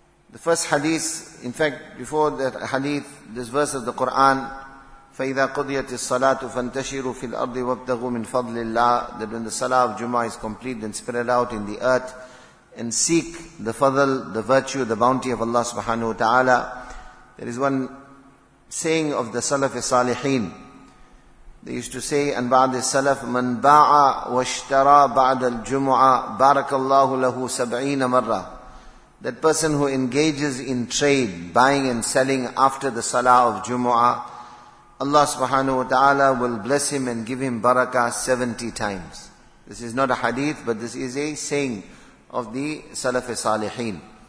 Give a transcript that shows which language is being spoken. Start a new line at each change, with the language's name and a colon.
English: The first hadith, in fact, before that hadith, this verse of the Quran,
Arabic: فَإِذَا قُضِيَتِ الصَّلَاةُ فَانْتَشِرُوا فِي الْأَرْضِ وَابْتَغُوا مِنْ فَضْلِ اللَّهِ,
English: that when the salah of Jummah is complete, then spread out in the earth and seek the fadl, the virtue, the bounty of Allah subhanahu wa ta'ala. There is one saying of the Salaf al-Salihin. They used to say, and
Arabic: بعد السلف من باع واشترى بعد الجمعة بارك الله له 70 مرة.
English: That person who engages in trade, buying and selling after the Salah of Jumu'ah, Allah subhanahu wa ta'ala will bless him and give him barakah 70 times. This is not a hadith, but this is a saying of the Salafi Saliheen.